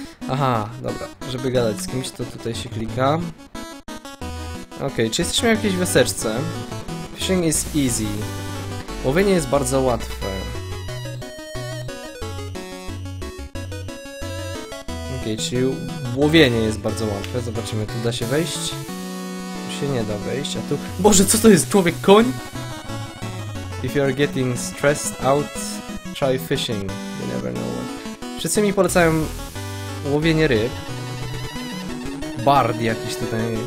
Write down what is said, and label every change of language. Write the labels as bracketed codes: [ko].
[pl] Aha, dobra, żeby gadać z kimś, to tutaj się klika. Okej, czy jesteśmy w jakiejś wioseczce? [en] Fishing is easy. [pl] Łowienie jest bardzo łatwe. Okej, czyli łowienie jest bardzo łatwe. Zobaczymy, tu da się wejść. Tu się nie da wejść, a tu... Boże, co to jest? Człowiek koń? [en] If you're getting stressed out, try fishing. You never know what. [pl] Wszyscy mi polecają łowienie ryb. Bard jakiś tutaj.